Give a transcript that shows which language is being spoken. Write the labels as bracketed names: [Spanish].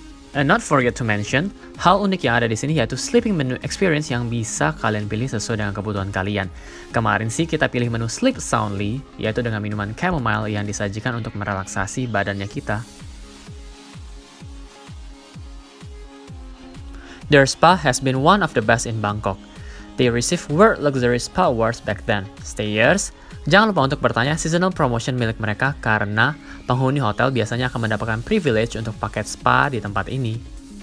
[English] And not forget to mention, [Indonesian] hal unik yang ada di sini yaitu sleeping menu experience yang bisa kalian pilih sesuai dengan kebutuhan kalian. Kemarin sih kita pilih menu sleep soundly, yaitu dengan minuman chamomile yang disajikan untuk merelaksasi badannya kita. [English] Their spa has been one of the best in Bangkok. They received World Luxury Spa Awards back then. Stayers, [Indonesian] Jangan lupa untuk bertanya seasonal promotion milik mereka karena penghuni hotel biasanya akan mendapatkan privilege untuk paket spa di tempat ini.